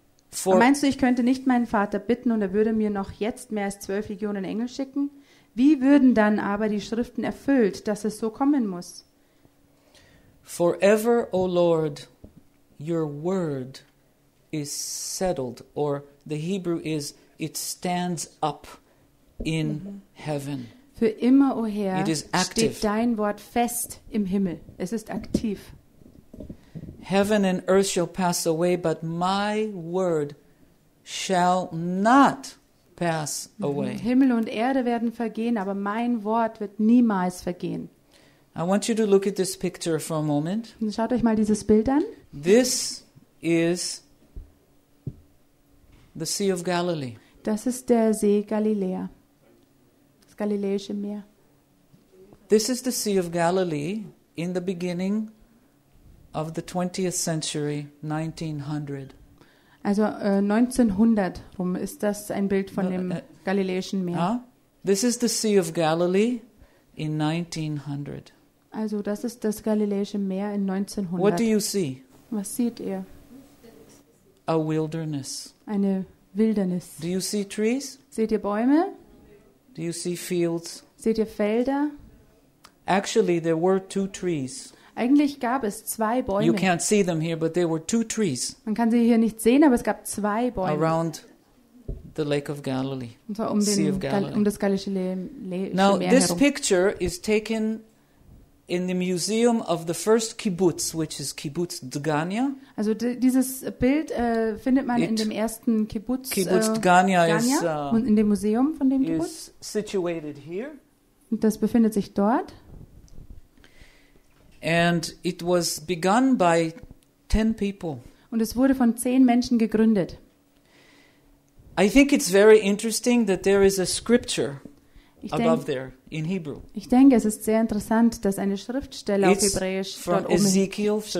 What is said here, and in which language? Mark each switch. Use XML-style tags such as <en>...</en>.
<de>For meinst du, ich könnte nicht meinen Vater bitten und er würde mir noch jetzt mehr als 12 Legionen Engel schicken? Wie würden dann aber die Schriften erfüllt, dass es so kommen muss?</de> <en>Forever, O Lord, your word is settled, or the Hebrew is, it stands up in heaven.</en> <de>Für immer, o Herr, steht dein Wort fest im Himmel. Es ist aktiv.</de> <en>Heaven and earth shall pass away, but my word shall not pass away.</en> <de>Himmel und Erde werden vergehen, aber mein Wort wird niemals vergehen.</de> <en>I want you to look at this picture for a moment.</en> <de>Schaut euch mal dieses Bild an.</de> <en>This is the Sea of Galilee.</en> <de>Das ist der See Galiläa. Galiläische Meer.</de> <en>This is the Sea of Galilee in the beginning of the 20th century, 1900.</en> <de>Also 1900 rum ist das ein Bild von dem Galiläischen Meer.</de> <en>This is the Sea of Galilee in 1900.</en> <de>Also das ist das Galiläische Meer in 1900.</de> <en>What do you see?</en> <de>Was seht ihr?</de> <en>A wilderness.</en> <de>Eine Wildernis.</de> <en>Do you see trees?</en> <de>Seht ihr Bäume?</de> <en>Do you see fields?</en> <de>Seht ihr Felder?</de> <en>Actually, there were two trees.</en> <de>Eigentlich gab es zwei Bäume.</de> <en>You can't see them here, but there were two trees.</en> <de>Man kann sie hier nicht sehen, aber es gab zwei Bäume.</de> <en>Around the Lake of Galilee.</en> <de>Und zwar um den Sea of Galilee. Um das Galilische Meer herum.</de> <en>Now this picture is taken in the museum of the first kibbutz, which is Kibbutz Dgania.</en> <de>Also dieses Bild findet man in dem ersten Kibbutz. Kibbutz Dgania ist in dem Museum von dem Kibbutz.</de> <en>Is situated here.</en> <de>Und das befindet sich dort.</de> <en>And it was begun by 10 people.</en> <de>Und es wurde von 10 Menschen gegründet.</de> <en>I think it's very interesting that there is a scripture. Above there in Hebrew.</en> <de>Ich denke, es ist sehr interessant, dass eine Schriftstelle auf Hebräisch dort oben steht.</de>